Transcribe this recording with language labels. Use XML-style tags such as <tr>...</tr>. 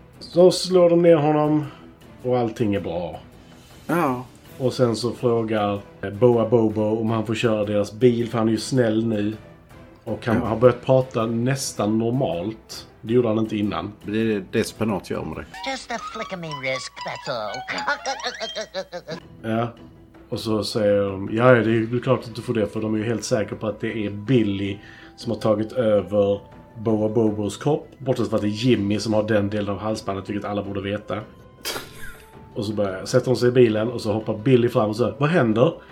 <sv>Så slår de ner honom och allting är bra. Ja. Och sen så frågar Boa Bobo om han får köra deras bil, för han är ju snäll nu. Och han har börjat prata nästan normalt. Det gjorde han inte innan. Det är det spenat gör med det.</sv> <en>Just a flick of me risk, that's all.</en> <sv>Ja. Och så säger de, ja, det är ju klart att du får det, för de är ju helt säkra på att det är Billy som har tagit över Boa Bobos kropp, bortsett från att det är Jimmy som har den delen av halsbandet, vilket alla borde veta. Och så sätter hon sig i bilen och så hoppar Billy fram och så, vad händer?</sv>